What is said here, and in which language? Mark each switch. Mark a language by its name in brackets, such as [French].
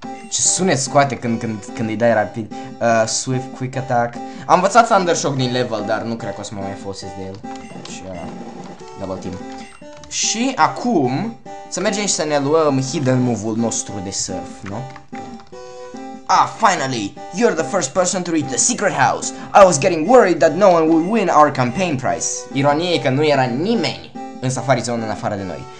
[Romanian] Ce sunet scoate când îi dai rapid. Swift, quick attack. Am învățat Thundershock din level, dar nu cred că o să mă mai folosesc de el. Deci, double team. Și acum, să mergem și să ne luăm hidden move-ul nostru de surf, nu? [English] Ah, finally! You're the first person to reach the secret house! I was getting worried that no one would win our campaign prize. [Romanian] Ironie e că nu era nimeni în Safari Zone în afară de noi.